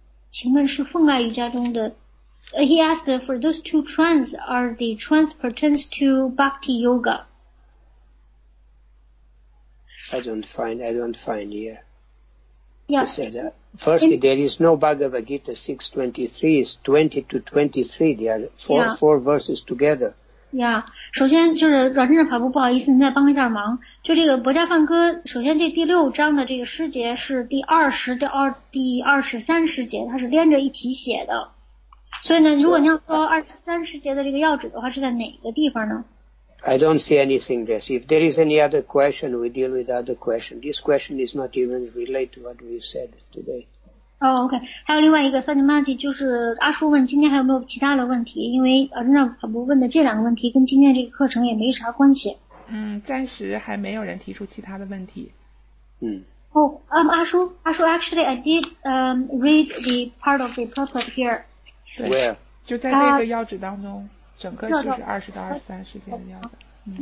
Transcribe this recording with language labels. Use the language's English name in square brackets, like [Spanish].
[English] 请问是奉爱瑜伽中的 He asked for those two trance, are the trance pertains to Bhakti Yoga? I don't find here. Yes. Firstly, there is no Bhagavad Gita 6:23, it's 20 to 23, there are four verses together. [Chinese] 首先就是阮正法布，不好意思，您再帮一下忙。就这个《薄伽梵歌》，首先这第六章的这个诗节是第二十到二第二十三诗节，它是连着一起写的。所以呢，如果您要说二十三诗节的这个要旨的话，是在哪个地方呢 [English] ？I don't see anything there. If there is any other question, we deal with other question. This question is not even related to what we said today. Oh, okay. [Chinese] 还有另外一个 Satyamaji 就是阿叔问今天还有没有其他的问题，因为那可不问的这两个问题跟今天这个课程也没啥关系。嗯，暂时还没有人提出其他的问题。嗯。 [English] 阿叔 ，actually I did read the part of the purport here. Where? [Chinese] 就在那个要旨当中，整个就是二十到二十三时间的要旨。